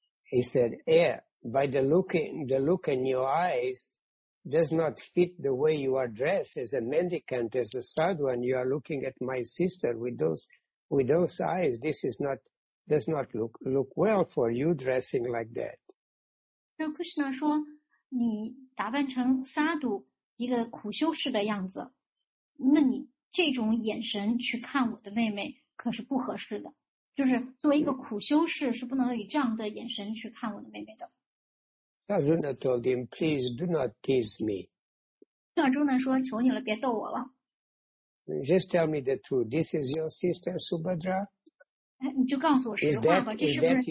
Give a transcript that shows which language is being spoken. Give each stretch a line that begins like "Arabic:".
English: He said, "Yeah, by the look in your eyes, does not fit the way you are dressed as a mendicant, as a sadhu, and you are looking at my sister with those eyes. This is not." Does not look well for you dressing like that. So
Chinese: Krishna 说，你打扮成撒度，一个苦修士的样子，那你这种眼神去看我的妹妹可是不合适的，就是作为一个苦修士是不能以这样的眼神去看我的妹妹的。
English: Arjuna told him, please do not tease me.
Chinese: 那阿朱呢说，求你了，别逗我了。
English: Just tell me the truth. This is your sister Subhadra?
Chinese: 你就告诉我实话吧，这是不是